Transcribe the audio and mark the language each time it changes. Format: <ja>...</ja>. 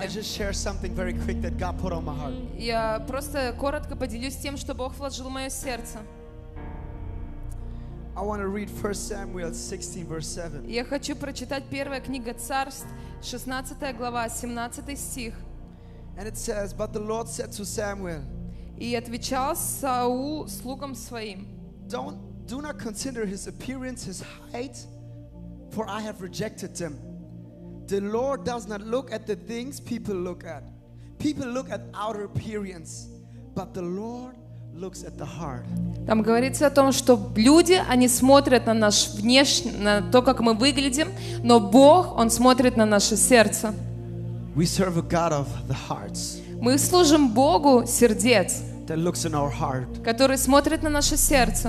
<en>I just share something very quick that God put on my heart.</en> <ru>Я просто коротко поделюсь тем, что Бог вложил в мое сердце.</ru> <en>I want to read 1 Samuel 16, verse 7.</en> <ru>Я хочу прочитать первая книга Царств, 16 глава, 17 стих.</ru> <en>And it says, but the Lord said to Samuel.</en> <ru>И отвечал Саул слугам своим.</ru> <en>Do not consider his appearance, his height. For I have rejected them. The Lord does not look at the things people look at. People look at outer appearance, but the Lord looks at the heart.</en> <ru>Там говорится о том, что люди, они смотрят на наш внешний, на то, как мы выглядим, но Бог, Он смотрит на наше сердце.</ru> <en>We serve a God of the hearts.</en> <ru>Мы служим Богу сердец,</ru> <en>that looks in our heart.</en> <ru>Который смотрит на наше сердце.</ru>